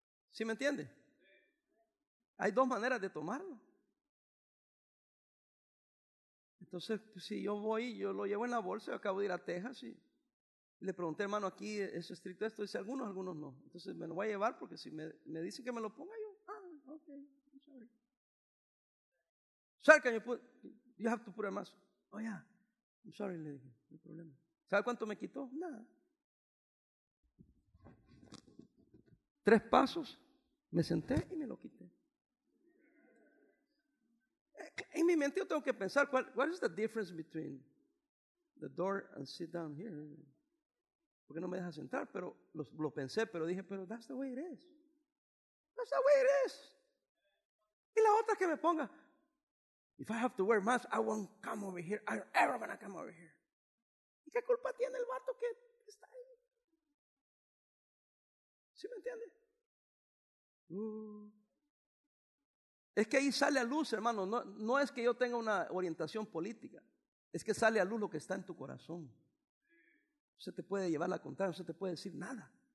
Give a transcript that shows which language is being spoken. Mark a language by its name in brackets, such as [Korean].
[Spanish] ¿Sí me entiende? Hay dos maneras de tomarlo. Entonces, pues, si yo voy, yo lo llevo en la bolsa, yo acabo de ir a Texas y le pregunté, hermano, aquí es estricto esto, dice algunos no. Entonces me lo voy a llevar porque si me dicen que me lo ponga yo, [English] ok, I'm sorry. Sorry, can you have to put a mask. Oh, yeah, I'm sorry, [Spanish] le dije, no problema. ¿Sabe cuánto me quitó? Nada. Tres pasos, me senté y me lo quité. En mi mente yo tengo que pensar, ¿cuál es la diferencia entre [English] the door and sit down here? [Spanish] ¿Por qué no me dejas entrar? Pero lo pensé, pero dije, pero [English] that's the way it is. That's the way it is. [Spanish] Y la otra que me ponga, [English] if I have to wear masks, I won't come over here. I'm never going to come over here. [Spanish] ¿Y qué culpa tiene el vato que está ahí? ¿Sí me entiende? Es que ahí sale a luz, hermano. No es que yo tenga una orientación política. Es que sale a luz lo que está en tu corazón. No se te puede llevar la contraria, no se te puede decir nada.